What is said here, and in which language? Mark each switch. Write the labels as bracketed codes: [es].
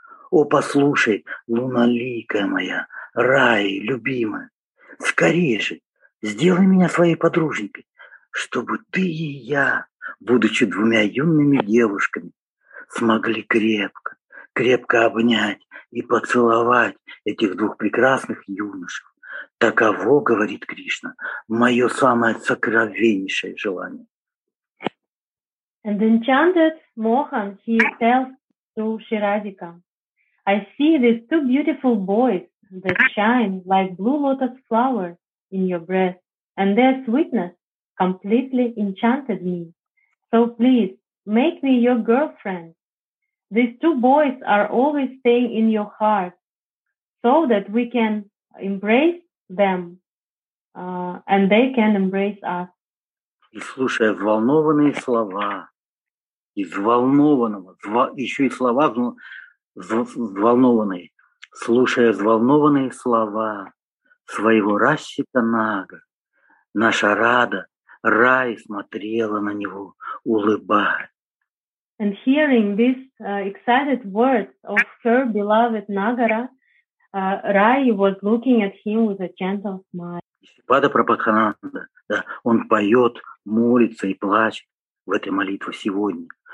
[ru] О, послушай, луналикая моя, рай, любимая, скорее же, сделай меня своей подружникой, чтобы ты и я, будучи двумя юными девушками, смогли крепко, крепко обнять и поцеловать этих двух прекрасных юношек, Таково, говорит Кришна, мое самое сокровеннейшее желание. [en] And enchanted Mohan, he tells to Shiradika, I see these two beautiful boys that shine like blue lotus flowers in your breast, and their sweetness completely enchanted me. So please, make me your girlfriend. These two boys are always staying in your heart, so that we can embrace them, and they can embrace us. [ru] И слушая взволнованные слова, из взволнованного, еще и слова взволнованные, слушая взволнованные слова своего Расчита Нага, наша Рада, Рай, смотрела на него, улыбаясь. [en] And hearing these excited words of her beloved Nagara, Rai was looking at him with a gentle smile. [ru] Шипада Прабхакананда, да, он поет, молится и плачет в этой молитве сегодня.